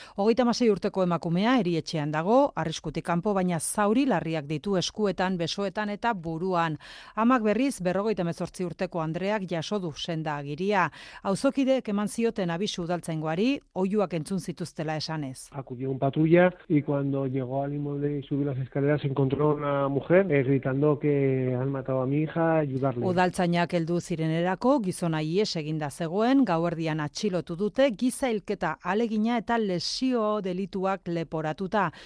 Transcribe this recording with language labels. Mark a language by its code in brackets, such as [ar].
[eu] 36 urteko emakumea erietxean dago, arriskutik kanpo, baina zauri larriak ditu eskuetan, besoetan eta buruan. Amak berriz 48 urteko Andreak jaso du sendagiria. Auzokideek eman zioten abisu udaltzaingoari, oihuak entzun zituztela esanez. [es] Acudió un patrulla y cuando llegó al inmueble y subió las escaleras encontró una mujer gritando que han matado a mi hija, ayudarle. [eu] Udaltzainak heldu zirenerako gizona ies eginda zegoen, gauerdian atxilotu dute giza hilketa alegina eta lesio delituak leporatuta.